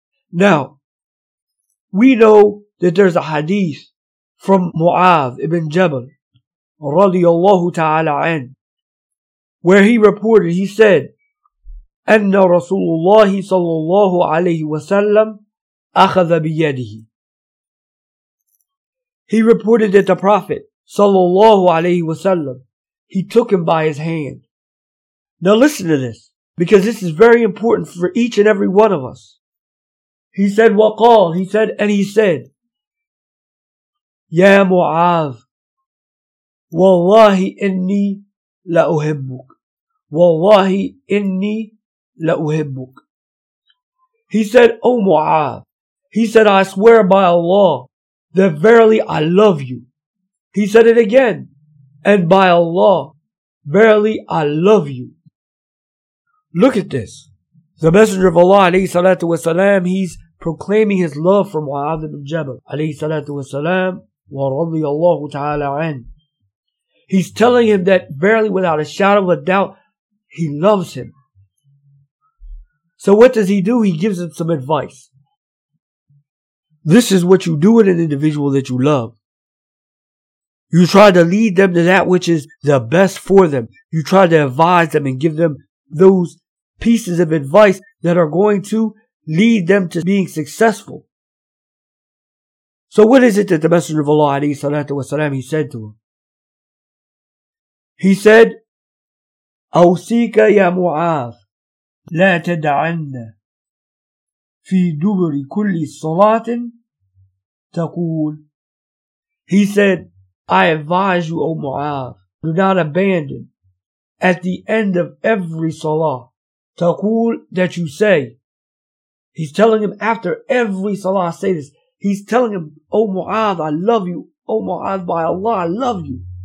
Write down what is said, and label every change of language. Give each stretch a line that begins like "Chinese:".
English: Now, we know that there's a hadith from Mu'adh ibn Jabal radiyallahu ta'ala an, where he reported, he said,
Arabic: أن رسول الله صلى الله عليه وسلم أخذ بيده.
English: He reported that the Prophet صلى الله عليه وسلم, he took him by his hand. Now listen to this, because this is very important for each and every one of us. He said,
Arabic: وقال,
English: he said, and he said,
Arabic: يا معاذ, والله إني لأحبك, والله إني لأحبك.
English: He said, O Mu'adh, he said, I swear by Allah that verily I love you. He said it again, and by Allah, verily I love you. Look at this. The Messenger of Allah, alayhi salatu wasalam, he's proclaiming his love for Mu'adh ibn Jabal, alayhi salatu wasalam, wa radiyallahu ta'ala an. He's telling him that verily without a shadow of a doubt, he loves him. So what does he do? He gives him some advice. This is what you do with an individual that you love. You try to lead them to that which is the best for them. You try to advise them and give them those pieces of advice that are going to lead them to being successful. So what is it that the Messenger of Allah, alayhi salatu wasalam, he said to him? He said,
Arabic: أَوْسِيكَ يَا مُعَاذ لا تدعن في دبر كل صلاة تقول.
English: He said, I advise you, O Mu'adh, do not abandon at the end of every salah. تقول, that you say. He's telling him after every salah, say this. He's telling him, O Mu'adh, I love you. O Mu'adh, by Allah, I love you.